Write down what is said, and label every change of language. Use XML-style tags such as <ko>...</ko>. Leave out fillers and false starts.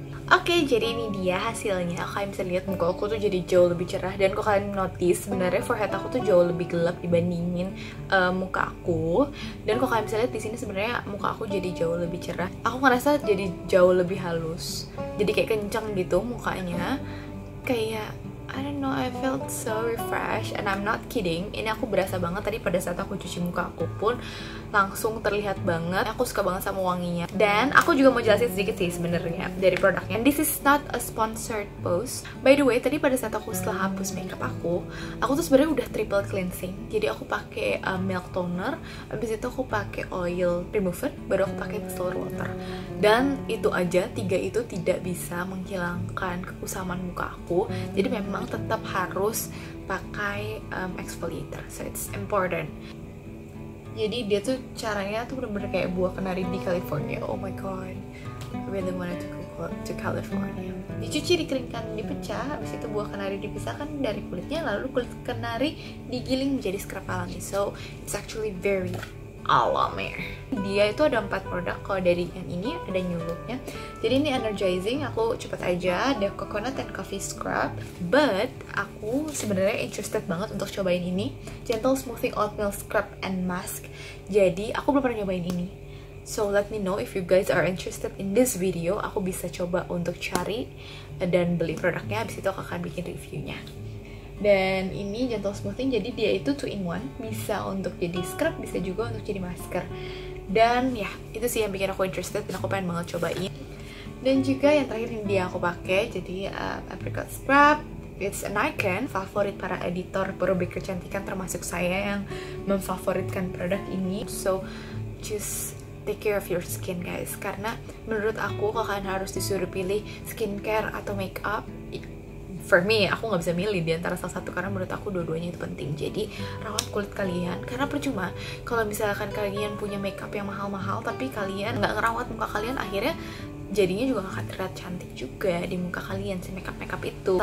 <id>Oke, jadi ini dia hasilnya. Kalian bisa lihat muka aku tuh jadi jauh lebih cerah. Dan kok kalian notice, sebenarnya forehead aku tuh jauh lebih gelap dibandingin muka aku. Dan kok kalian bisa lihat di sini sebenarnya muka aku jadi jauh lebih cerah. Aku ngerasa jadi jauh lebih halus. Jadi kayak kenceng gitu mukanya.</id> <en>Kayak, I don't know, I felt so refreshed. And I'm not kidding,</en> <id>ini aku berasa banget tadi pada saat aku cuci muka aku pun langsung terlihat banget. Aku suka banget sama wanginya. Dan aku juga mau jelasin sedikit sih sebenarnya dari produknya.</id> <en>And this is not a sponsored post.</en> <id>By the way, tadi pada saat aku setelah hapus makeup aku tuh sebenarnya udah triple cleansing. Jadi aku pakai milk toner, abis itu aku pakai oil remover, baru aku pakai micellar water. Dan itu aja, tiga itu tidak bisa menghilangkan kekusaman muka aku. Jadi memang tetap harus pakai exfoliator.</id> <en>So it's important.</en> <id>Jadi dia tuh caranya tuh bener-bener kayak buah kenari di California.</id> <en>Oh my god, I really wanted to go to California.</en> <id>Dicuci, dikeringkan, dipecah, habis itu buah kenari dipisahkan dari kulitnya, lalu kulit kenari digiling menjadi scrub alami.</id> <en>So it's actually very alamir.</en> <id>Dia itu ada 4 produk, kalau dari yang ini ada new look-nya. Jadi ini energizing, aku cepet aja, ada coconut and coffee scrub. But aku sebenarnya interested banget untuk cobain ini,</id> <en>gentle smoothing oatmeal scrub and mask.</en> <id>Jadi aku belum pernah nyobain ini.</id> <en>So let me know if you guys are interested in this video.</en> <id>Aku bisa coba untuk cari dan beli produknya, abis itu aku akan bikin reviewnya. Dan ini gentle smoothing, jadi dia itu 2-in-1. Bisa untuk jadi scrub, bisa juga untuk jadi masker. Dan ya, itu sih yang bikin aku interested dan aku pengen banget cobain. Dan juga yang terakhir ini dia aku pakai, jadi apricot scrub.</id> <en>It's an icon,</en> <id>favorit para editor perubik kecantikan termasuk saya yang memfavoritkan produk ini.</id> <en>So, just take care of your skin guys.</en> <id>Karena menurut aku, kalau kalian harus disuruh pilih skincare atau makeup,</id> <en>for me,</en> <id>aku gak bisa milih di antara salah satu karena menurut aku dua-duanya itu penting. Jadi, rawat kulit kalian. Karena percuma, kalau misalkan kalian punya makeup yang mahal-mahal tapi kalian gak ngerawat muka kalian, akhirnya jadinya juga gak akan terlihat cantik juga di muka kalian si makeup-makeup itu.</id>